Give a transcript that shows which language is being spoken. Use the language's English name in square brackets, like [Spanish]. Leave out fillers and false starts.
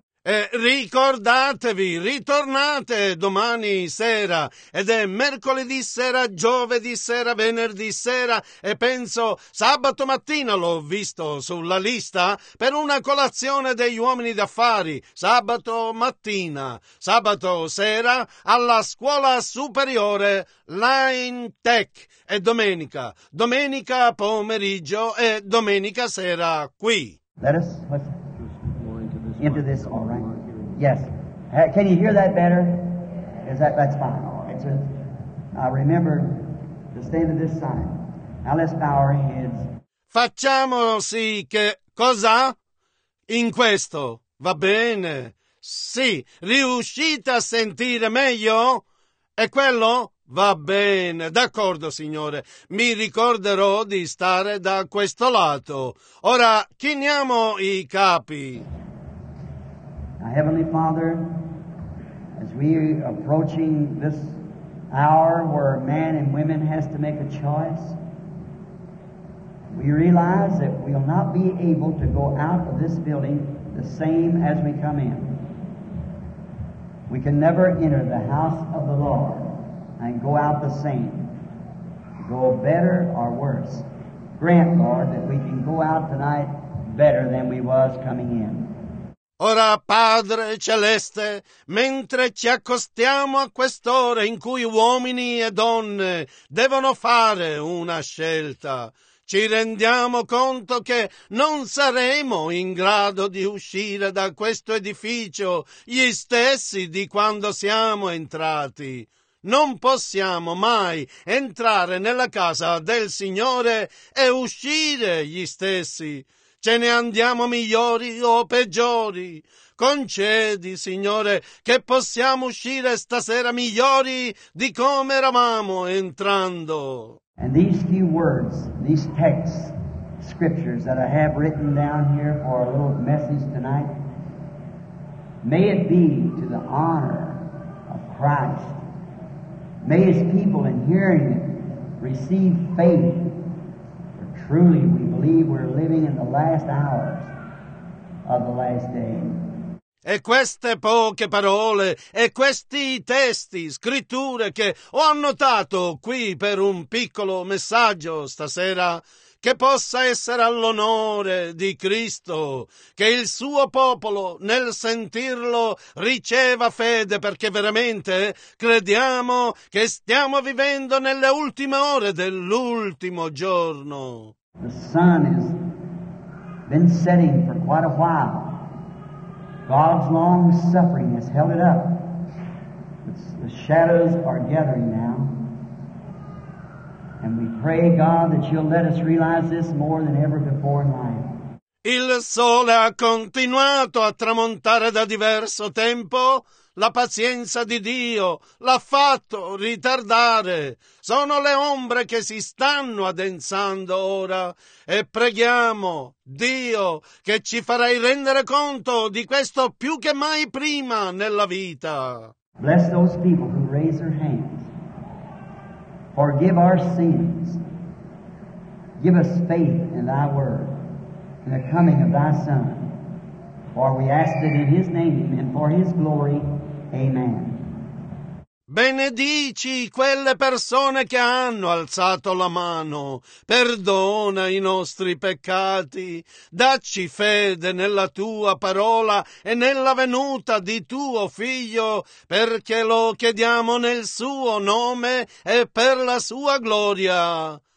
[Italian] E ricordatevi, ritornate domani sera, ed è mercoledì sera, giovedì sera, venerdì sera, e penso sabato mattina l'ho visto sulla lista per una colazione degli uomini d'affari, sabato mattina, sabato sera alla scuola superiore Line Tech, e domenica pomeriggio e domenica sera qui. [English] Into this, all right. Yes. Can you hear that better? Is that, that's fine. All right. So, I remember to stand at this side. Now let's bow our heads. [Italian] Facciamo sì che cosa? In questo. Va bene. Sì. Riuscite a sentire meglio? E quello? Va bene, d'accordo, Signore, mi ricorderò di stare da questo lato. Ora chiniamo i capi. [English] Heavenly Father, as we are approaching this hour where man and women has to make a choice, we realize that we'll not be able to go out of this building the same as we come in. We can never enter the house of the Lord and go out the same, go better or worse. Grant, Lord, that we can go out tonight better than we was coming in. [Italian] Ora, Padre Celeste, mentre ci accostiamo a quest'ora in cui uomini e donne devono fare una scelta, ci rendiamo conto che non saremo in grado di uscire da questo edificio gli stessi di quando siamo entrati. Non possiamo mai entrare nella casa del Signore e uscire gli stessi. Ce ne andiamo migliori o peggiori. Concedi, Signore, che possiamo uscire stasera migliori di come eravamo entrando. [English] And these few words, these texts, scriptures that I have written down here for a little message tonight, may it be to the honor of Christ. May His people in hearing it receive faith. Truly, we believe we're living in the last hours of the last day. [Italian] E queste poche parole e questi testi, scritture che ho annotato qui per un piccolo messaggio stasera, che possa essere all'onore di Cristo, che il suo popolo nel sentirlo riceva fede, perché veramente crediamo che stiamo vivendo nelle ultime ore dell'ultimo giorno. [English] The sun has been setting for quite a while. God's long suffering has held it up. The shadows are gathering now. And we pray, God, that you'll let us realize this more than ever before in life. [Italian] Il sole ha continuato a tramontare da diverso tempo. La pazienza di Dio l'ha fatto ritardare. Sono le ombre che si stanno addensando ora. E preghiamo, Dio, che ci farai rendere conto di questo più che mai prima nella vita. [English] Bless those people who raise their hands. Forgive our sins. Give us faith in thy word. In the coming of thy Son. For we ask it in his name and for his glory. Amen. [Italian] Benedici quelle persone che hanno alzato la mano. Perdona i nostri peccati. Dacci fede nella tua parola e nella venuta di tuo Figlio, perché lo chiediamo nel suo nome e per la sua gloria.